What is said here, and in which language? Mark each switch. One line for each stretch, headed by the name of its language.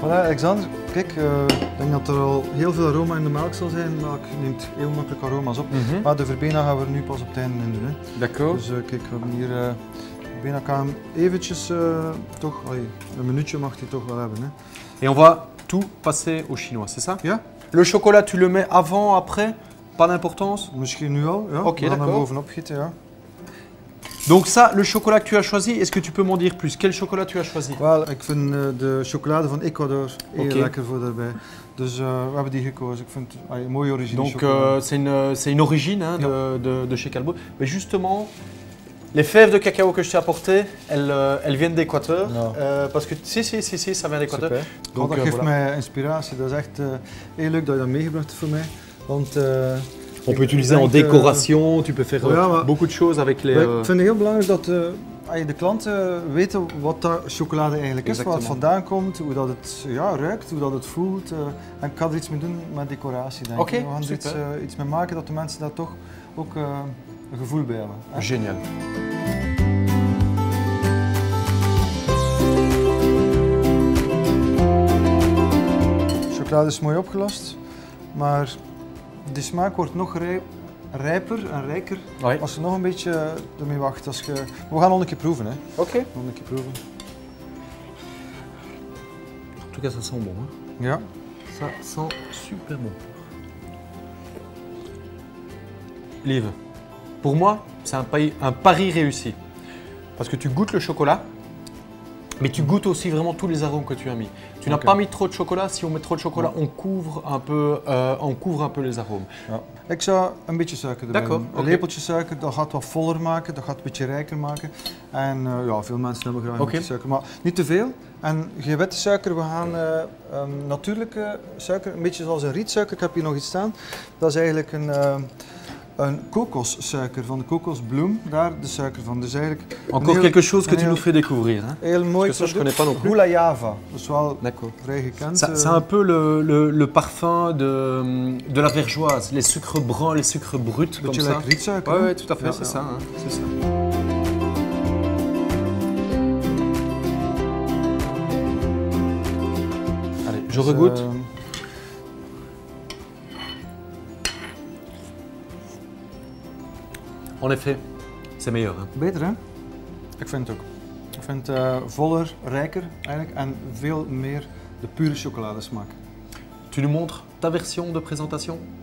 Dutch: Voilà, Alexander, kijk, ik denk dat er al heel veel aroma in de melk zal zijn. Melk neemt heel makkelijk aroma's op. Mm-hmm. Maar de verbena gaan we nu pas op het einde in doen. Hè.
French: D'accord.
Dutch: Dus kijk, we hebben hier. Verbena kan eventjes toch. Allee, een minuutje mag hij toch wel hebben. Hè.
French: Et on va tout passer au chinois, c'est ça?
Dutch: Ja.
French: Le chocolat, tu le mets avant, après? Pas d'importance?
Dutch: Misschien nu al, ja. Okay, we gaan hem bovenop gieten, ja.
French: Donc ça, le chocolat que tu as choisi, est-ce que tu peux m'en dire plus? Quel chocolat tu as choisi?
Dutch: Well, ik vind de chocolade van Ecuador heel lekker voor daarbij. Dus we hebben die gekozen. Ik vind het een mooie origine.
French: Donc c'est une origine hein, de chez Calbo. Mais justement, les fèves de cacao que je t'ai apportées, elles viennent d'Équateur. Parce que si, ça vient d'Équateur.
Dutch: Donc ça geeft mij inspiratie. Dat is echt heel leuk dat je dat meegebracht hebt voor mij. Want
French: on peut utiliser en décoration, tu peux faire beaucoup de choses avec les...
Dutch: Ik vind het heel belangrijk dat de klanten weten wat dat chocolade eigenlijk is, waar het vandaan komt, hoe dat het ruikt, hoe dat het voelt. En ik ga er iets mee doen met decoratie, denk okay, ik. We gaan super. Er iets mee maken dat de mensen daar toch ook een gevoel bij hebben. Hè? Genial. Chocolade is mooi opgelost, maar... De smaak wordt nog rijper en rijker Oi. Als je nog een beetje ermee wacht. Als je... We gaan nog een keer proeven. Oké. Okay. Nog een keer proeven.
French: In tout cas, ça sent bon. Hè?
Dutch: Ja.
French: Ça sent super bon. Lieve, pour moi, c'est un pari réussi. Parce que tu goûtes le chocolat, mais tu goûtes aussi vraiment tous les arômes que tu as mis. Tu n'as pas mis trop de chocolat. Si on met trop de chocolat, on couvre un peu les arômes.
Dutch: Ja. Ik zou een beetje suiker erbij doen. Een lepeltje suiker, dat gaat wat voller maken, dat gaat een beetje rijker maken. En veel mensen hebben graag een beetje suiker, maar niet te veel. En geen witte suiker, we gaan natuurlijke suiker, een beetje zoals een rietsuiker. Ik heb hier nog iets staan. Dat is eigenlijk een kokossuiker van de kokosbloem, daar de suiker van. Dus eigenlijk.
French: Encore quelque chose que tu nous fais découvrir.
Dutch: Heel mooi,
French: ça, je connais pas non plus.
Dutch: Hula Java, dat is wel vrij gekend.
French: C'est un peu le parfum de la vergeoise, les sucres bruns, les sucres bruts. Comme ça.
Dutch: Like rietsuiker.
French: Ouais, ouais, tout à fait, c'est ça. Hein. C'est ça. Allez, je regoute. En effet, c'est meilleur. Hein?
Dutch: Beter, hè? Ik vind het ook. Ik vind het voller, rijker eigenlijk en veel meer de pure chocoladesmaak.
French: Tu nous montres ta version de présentation?